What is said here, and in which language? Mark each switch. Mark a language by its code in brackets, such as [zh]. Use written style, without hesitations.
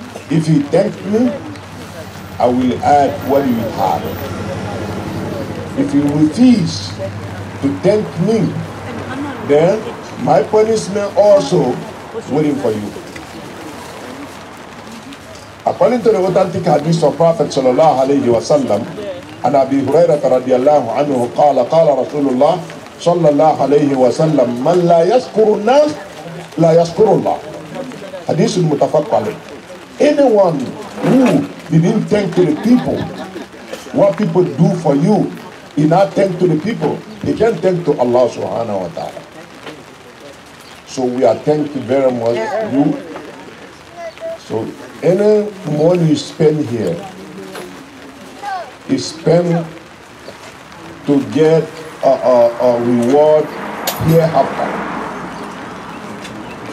[en] If you thank me, I will add what you have. If you refuse to thank me, then my punishment also waiting for you. According to the authentic hadith of Prophet sallallahu alayhi wa sallam, [ar] عن أبي هريرة رضي الله عنه قال قال رسول الله صلى الله عليه وسلم من لا يشكر الناس لا يشكر الله. حديث متفق عليه. [en] Anyone who didn't thank to the people, what people do for you, he not thank to the people, he can thank to Allah subhanahu wa ta'ala. So we are thanking very much you. So any money you spend here, is spent to get a reward here after.